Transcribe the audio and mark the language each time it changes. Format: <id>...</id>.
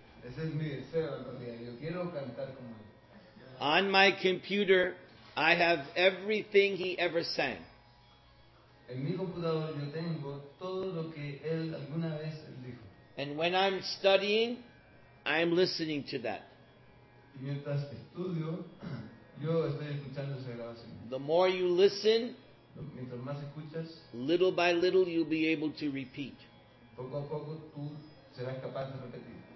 <es>Ese es mi deseo, yo quiero cantar como él.</es> <en>On my computer I have everything he ever sang.</en> <es>En mi computador yo tengo todo lo que él alguna vez dijo.</es> <en>And when I'm studying, I'm listening to that.</en> <es>Y mientras estudio, yo estoy escuchando esa grabación.</es> <en>The more you listen,</en> <es>mientras más escuchas,</es> <en>little by little you'll be able to repeat.</en> <es>Poco a poco tú serás capaz de repetir.</es>